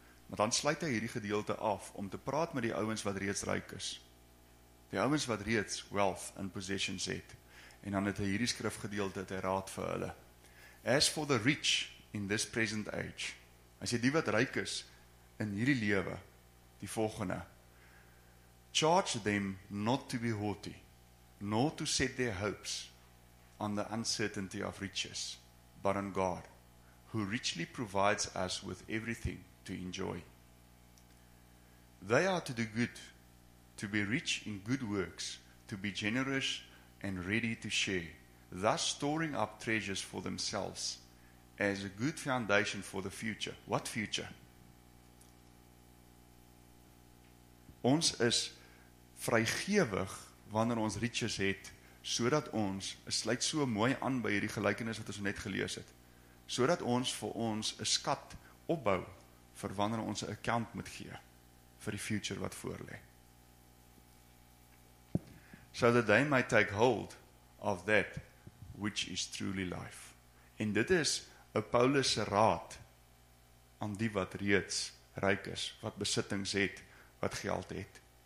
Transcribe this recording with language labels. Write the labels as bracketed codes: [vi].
[af] Maar dan sluit hy hierdie gedeelte af, om te praat met die ouens wat reeds ryk is, die ouens wat reeds [en] wealth and possessions [af] het, en dan het hy hierdie skrifgedeelte het hy raad vir hulle. [en] As for the rich in this present age, [af] as jy die wat ryk is in hierdie lewe, die volgende, [en] charge them not to be haughty, nor to set their hopes on the uncertainty of riches, but on God, who richly provides us with everything to enjoy. They are to do good, to be rich in good works, to be generous, and ready to share, thus storing up treasures for themselves as a good foundation for the future. What future? [af] Ons is vrygewig wanneer ons riches het, sodat ons, dit sluit so mooi aan by hierdie gelykenis wat ons net gelees het, sodat ons vir ons 'n skat opbou vir wanneer ons 'n account moet gee vir die future wat voorlê. [en] So that they might take hold of that which is truly life. [af] En dit is 'n Paulusse raad aan die wat reeds ryk is, wat besittings het, wat geld het.